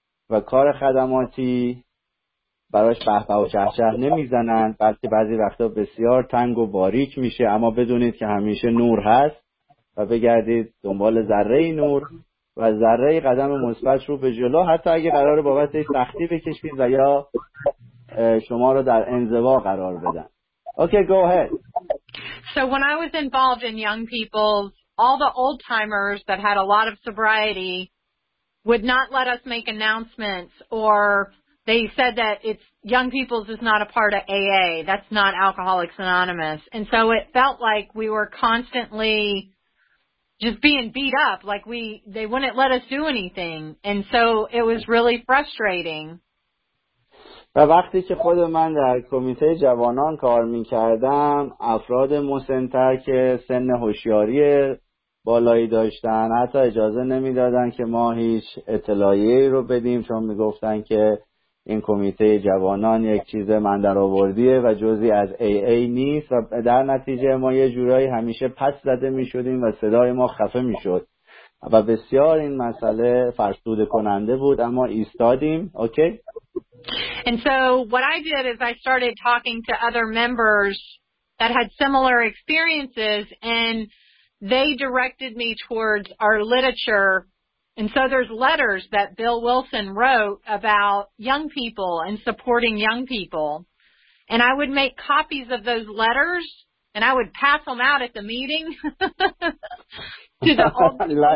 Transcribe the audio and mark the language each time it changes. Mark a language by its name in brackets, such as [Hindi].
[Persian] و کار خدماتی براش به و چهچه نمیزنن، بلکه بعضی وقتا بسیار تنگ و باریک میشه. اما بدونید که همیشه نور هست و بگردید دنبال ذره نور و ذره قدم مثبت رو به جلو، حتی اگه قرار بابتش سختی بکشید و یا شما رو در انزوا قرار بدن. [English] Okay, go ahead. So when I was involved in young people's, all the old timers that had a lot of sobriety would not let us make announcements, or they said that it's young people's is not a part of AA. That's not Alcoholics Anonymous. And so it felt like we were constantly just being beat up, like they wouldn't let us do anything, and so it was really frustrating. [Persian] و وقتی که خود من در کمیته جوانان کار می‌کردم، افراد مسن‌تر که سن هوشیاری بالایی داشتن، حتی اجازه نمی‌دادن که ما هیچ اطلاعیه‌ای رو بدیم، چون می‌گفتن که این کمیته جوانان یک چیز مندرآوردیه و جزی از AA نیست. و در نتیجه ما یه جورایی همیشه پس زده می‌شدیم و صدای ما خفه می‌شد. و بسیار این مسئله فرسوده کننده بود اما ایستادیم اوکی [English] And so what I did is I started talking to other members that had similar experiences and they directed me towards our literature and so there's letters that Bill Wilson wrote about young people and supporting young people and I would make copies of those letters and I would pass them out at the meeting to the old people